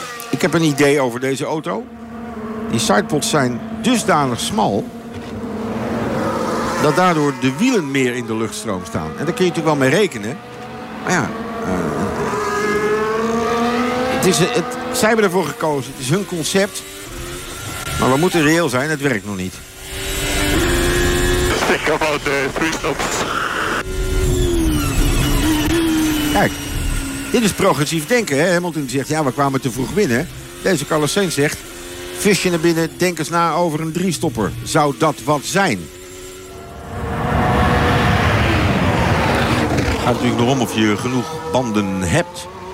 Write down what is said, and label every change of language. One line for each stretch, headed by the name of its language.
Dutch: Ik heb een idee over deze auto. Die sidepods zijn dusdanig smal dat daardoor de wielen meer in de luchtstroom staan. En daar kun je natuurlijk wel mee rekenen. Maar ja, zij hebben ervoor gekozen. Het is hun concept. Maar we moeten reëel zijn, het werkt nog niet.
English: Think about the three stops.
Dutch: Kijk, dit is progressief denken. Hè? Hamilton zegt, ja, we kwamen te vroeg binnen. Deze Carlos Sainz zegt, visje naar binnen, denk eens na over een driestopper. Zou dat wat zijn? Het gaat natuurlijk nog om of je genoeg banden hebt.